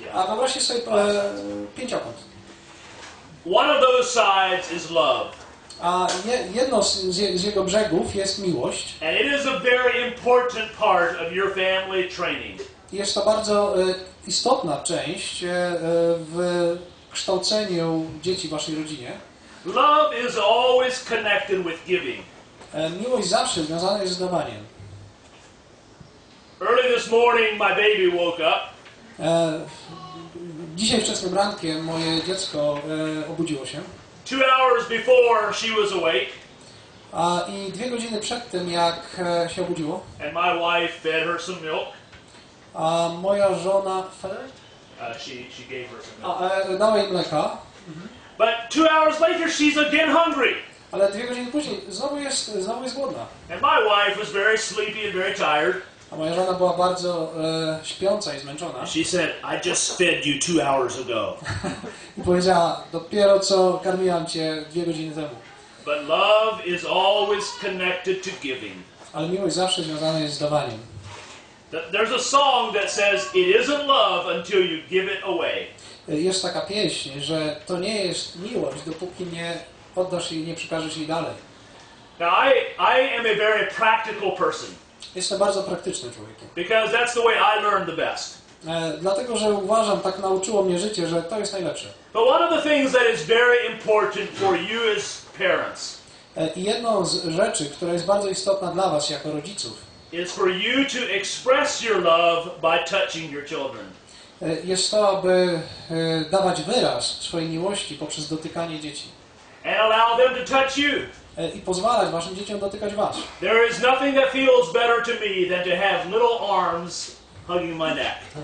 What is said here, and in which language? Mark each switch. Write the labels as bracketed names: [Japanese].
[Polish] A wyobraźcie sobie pięciokąt. [English] One of those sides is love. [Polish] A jedno z jego brzegów jest miłość. [English] And it is a very important part of your family training. [Polish] Jest to bardzo istotna część w kształceniu dzieci w waszej rodzinie. [English] Love is always connected with giving. [Polish] Miłość zawsze związana jest z dawaniem. [English] Early this morning my baby woke up. [Polish] Dzisiaj wczesnym rankiem moje dziecko obudziło się. [English] 2 hours before she was awake. [Polish] I 2 godziny przed tym, jak się obudziło. [English] And my wife fed her some milk. [Polish] Moja żona [English] she gave her some milk. [Polish] Dała jej mleka. [English] But 2 hours later, she's again hungry. [Polish] Ale 2 godziny później znowu jest głodna. [English] And my wife was very sleepy and very tired. [Polish] A moja żona była bardzo śpiąca i zmęczona. [English] She said, I just fed you 2 hours ago. [Polish] I powiedziała, dopiero co karmiłam cię 2 godziny temu. [English] But love is always connected to giving. [Polish] Ale miłość zawsze związana jest z dawaniem. [English] There's a song that says, it isn't love until you give it away. [Polish] Jest taka pieśń, że to nie jest miłość, dopóki nie oddasz jej, nie przekażesz jej dalej. [English] Now I am a very practical person. [Polish] Jestem bardzo praktycznym człowiekiem. [English] Because that's the way I learned the best. [Polish] Dlatego, że uważam, tak nauczyło mnie życie, że to jest najlepsze. [English] But one of the things that is very important for you as parents. [Polish] I jedną z rzeczy, która jest bardzo istotna dla was jako rodziców. [English] Is for you to express your love by touching your children. [Polish] Jest to, aby dawać wyraz swojej miłości poprzez dotykanie dzieci. [English] And allow them to touch you. [Polish] I pozwalać waszym dzieciom dotykać was. [English] There is nothing that feels better to me than to have little arms hugging my neck.